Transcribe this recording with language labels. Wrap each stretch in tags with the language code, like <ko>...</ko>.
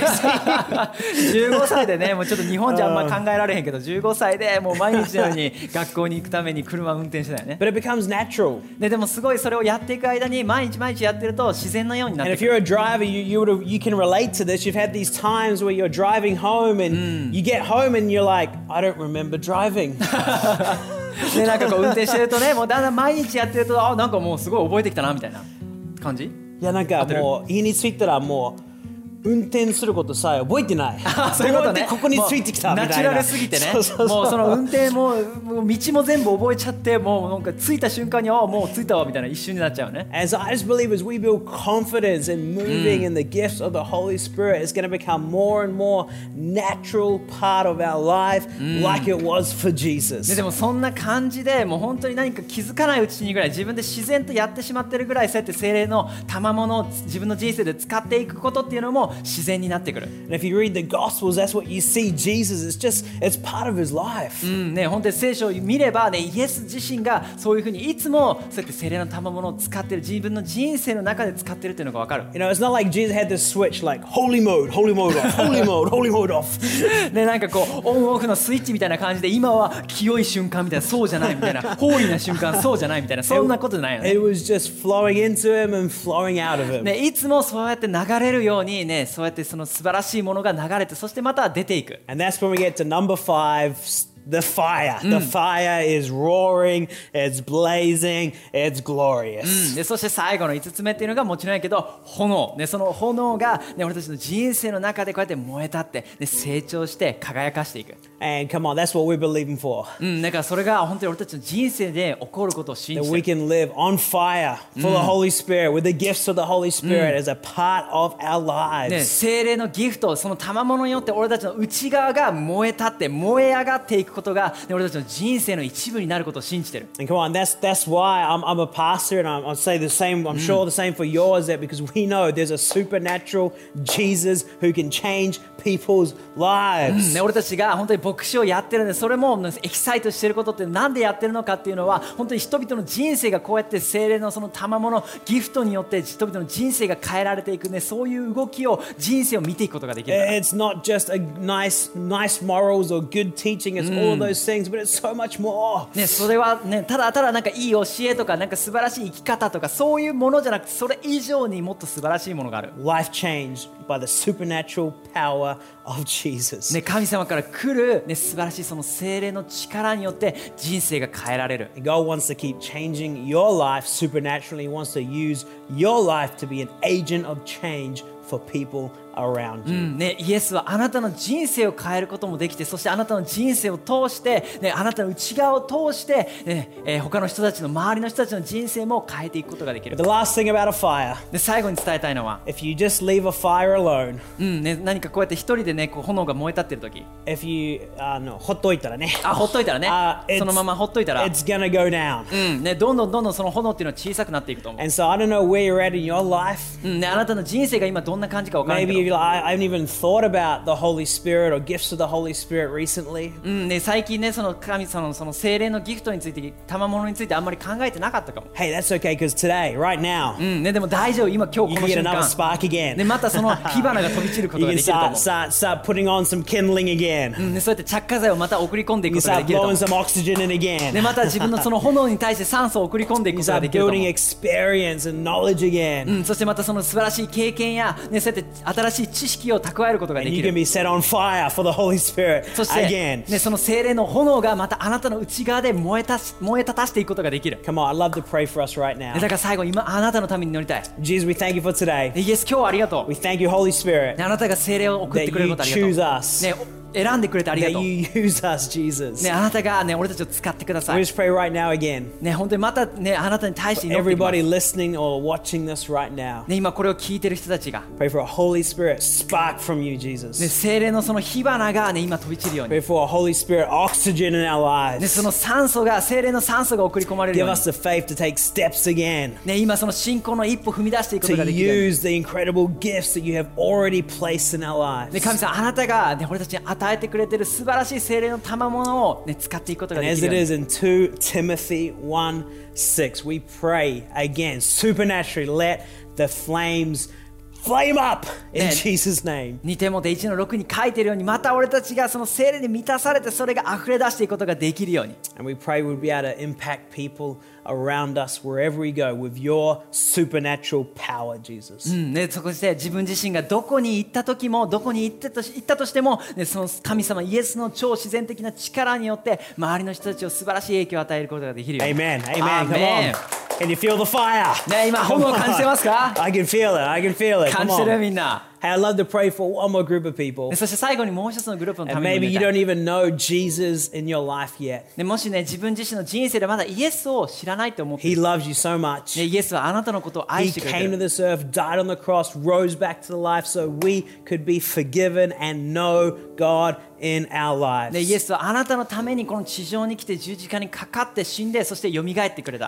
<ja>15歳でね、もうちょっと日本じゃあんま考えられへんけど、15歳でもう毎日のように学校に行くために車運転してたよね。</ja> <en>But it becomes natural.</en> <ja>ね、でもすごいそれをやっていく間に毎日毎日やってると自然のようになってくる。</ja> <en>And if you're a driver, you can relate to this. You've had these times where you're driving home and you get home and you're like, I don't remember driving.</en> <ja>ね、なんかこう運転してるとね、もうだんだん毎日やってると、あ、なんかもうすごい覚えてきたなみたいな。感じ？いやなんかもう家に着いたらもう運転することさえ覚えてない。そういうことね。ここについてきたみたいな。ナチュラルすぎてね。そうそうそう。もうその運転も道も全部覚えちゃってもうなんか着いた瞬間にああもう着いたわみたいな一瞬になっちゃうね。</ja> <en>As I just believe as we build confidence in moving in the gifts of the Holy Spirit, it's going to become more and more natural part of our life, like it was for Jesus.</en> <ja>でもそんな感じでもう本当に何か気づかないうちにぐらい自分で自然とやってしまってるぐらいそうやって聖霊の賜物を自分の人生で使っていくことっていうのも。自然になってくる。</ja> <en>And if you read the Gospels, that's what you see. Jesus is just, it's part of his life.</en> <ja>ね、本当に聖書を見ればね、イエス自身がそういうふうにいつもそうやって聖霊の賜物を使ってる、自分の人生の中で使ってるっていうのがわかる。</ja> <en>You know, it's not like Jesus had this switch like holy mode, holy mode off, holy mode, holy mode off.</en> <ja>ね、なんかこうオンオフのスイッチみたいな感じで、今は清い瞬間みたいな、そうじゃないみたいな、ホーリーな瞬間、そうじゃないみたいな、そんなことないよね。</ja> <en>It was just flowing into him and flowing out of him.</en> <ja>ね、いつもそうやって流れるようにね。そうやってその素晴らしいものが流れて、そしてまた出ていく。</ja> <en>And that's when we get to number five, the fire. The fire is roaring, it's blazing, it's glorious.</en> <ja>で、そして最後の5つ目っていうのがもちろんやけど、炎。ね、その炎が、ね、俺たちの人生の中でこうやって燃え立って、ね、成長して輝かしていく。</ja> <en>And come on, that's what we're believing for.</en> <ja>だからそれが本当に俺たちの人生で起こることを信じて。</ja> <en>That we can live on fire, full of Holy Spirit, with the gifts of the Holy Spirit as a part of our lives.</en> <ja>ね、聖霊のギフト、その賜物によって俺たちの内側が燃え立って、燃え上がっていくことが、ね、俺たちの人生の一部になることを信じてる。</ja> <en>And come on, that's why I'm a pastor and I'll say the same, I'm sure the same for yours, that because we know there's a supernatural Jesus who can change people's lives.</en> <ja>ね、俺たちが本当に牧師をやってるんで、それもエキサイトしてることってなんでやってるのかっていうのは、本当に人々の人生がこうやって聖霊のその賜物ギフトによって人々の人生が変えられていくね、そういう動きを人生を見ていくことができる。</ja> <en>It's not just a nice morals or good teaching. It's all those things, but it's so much more.</en> <ja>ね、それはね、ただなんかいい教えとかなんか素晴らしい生き方とかそういうものじゃなくて、それ以上にもっと素晴らしいものがある。</ja> <en>Life change by the supernatural power. Of Jesus.</en> <ja>ね、神様から来る、ね、素晴らしいその聖霊の力によって人生が変えられる。</ja> <en>God wants to keep changing your life supernaturally. He wants to use your life to be an agent of change for people around you.</en> <ja>ね、イエスはあなたの人生を変えることもできて、そしてあなたの人生を通して、ね、あなたの内側を通して、ね、他の人たちの周りの人たちの人生も変えていくことができる。</ja> <en>The last thing about a fire.</en> <ja>で、最後に伝えたいのは、</ja> <en>If you just leave a fire alone.</en> <ja>ね、何かこうやって一人でね、こう炎が燃え立ってる時、</ja> <en>If you</en> <ja>ほっといたらね、あ、ほっといたらね、そのままほっといたら、</ja> <en>It's gonna go down.</en> <ja>ね、どんどんその炎っていうのは小さくなっていくと思う。</ja> <en>And so I don't know where you're at in your life.</en> <ja>ね、あなたの人生が今どんな感じか分からないけど。</ja> <en>Maybe I haven't even thought about the Holy Spirit or gifts of the Holy Spirit recently.</en> <ja>ね、最近ね、その神様のその聖霊のギフトについて、賜物についてあんまり考えてなかったかも。</ja> <en>Hey, that's okay, because today, right now,</en> <ja>ね、でも大丈夫、今、今日この瞬間、</ja> <en>you get another spark again.</en> <ja>ね、またその火花が飛び散ることができると思う。</ja> <en>You can start putting on some kindling again.</en> <ja>ね、そうやって着火剤をまた送り込んでいくことができると思う。</ja> <en>You start blowing some oxygen in again.</en> <ja>ね、また自分のその炎に対して酸素を送り込んでいくことができると思う。</ja> <en>You start building experience and knowledge again.</en> <ja>そしてまたその素晴らしい経験や、ね、そうやって新しい知識を蓄えることができる。</ja> <en>And you can be set on fire for the Holy Spirit again.</en> <ja>そして、ね、その聖霊の炎がまたあなたの内側で燃え立たしていくことができる。</ja> <en>Come on, I'd love to pray for us right now.</en> <ja>だから最後、今あなたのために祈りたい。</ja> <en>Jesus, we thank you for today.</en> <ja>イエス、今日はありがとう。</ja> <en>We thank you, Holy Spirit.</en> <ja>あなたが聖霊を送ってくれることありがとう。</ja> <en>That you choose us.、</en> <ja>ね選んでくれてありがとう。</ja> <en>That you use us, Jesus.</en> <ja>ね、あなたが、ね、俺たちを使ってください。</ja> <en>We just pray right now again.</en> <ja>ね、本当にまた、ね、あなたに対して祈ってます。</ja> <en>Everybody listening or watching this right now.</en> <ja>ね、今これを聞いてる人たちが。</ja> <en>Pray for a Holy Spirit spark from you, Jesus.</en> <ja>ね、聖霊のその火花が、ね、今飛び散るように。</ja> <en>Pray for a Holy Spirit oxygen in our lives.</en> <ja>ね、その酸素が、聖霊の酸素が送り込まれるように。</ja> <en>Give us the faith to take steps again.</en> <ja>ね、今その信仰の一歩踏み出していくことができるように。</ja> <en>To use the incredible gifts that you have already placed in our lives.</en> <ja>ね、神様、あなたが、ね、俺たちに与えてくれてる素晴らしい聖霊の賜物を、ね、使っていくことができる。</ja> <en>And as it is in 2 Timothy 1:6, we pray again supernaturally, let the flames flame up in、ね、Jesus' name.</en> <ja>2テモテ1の6に書いてるように、また俺たちがその聖霊に満たされてそれが溢れ出していくことができるように。</ja> <en>And we pray we'll be able to impact people around us wherever we go with your supernatural power, Jesus.、</en> <ja>うんね、そして自分自身がどこに行った時も、どこに行ったとしても、ね、その神様イエスの超自然的な力によって周りの人たちを素晴らしい影響を与えることができるよ。</ja> <en>Amen, amen, come on. Can you feel the fire?</en> <ja>ね、今炎を感じてますか？</ja> <en>I can feel it, I can feel it.</en> <ja>感じてるみんな。</ja> <en>Hey, I'd love to pray for one more group of people.</en> <ja>そして最後にもう一つのグループのために。</ja> <en>And maybe you don't even know Jesus in your life yet.</en> <ja>ね、もしね、自分自身の人生でまだイエスを知らないと思って。</ja> <en>He loves you so much.</en> <ja>ね、イエスはあなたのことを愛してくれてる。</ja> <en>He came to this earth, died on the cross, rose back to the life so we could be forgiven and know God in our lives.</en> <ja>ね、イエスはあなたのためにこの地上に来て十字架にかかって死んで、そして蘇ってくれた。</ja>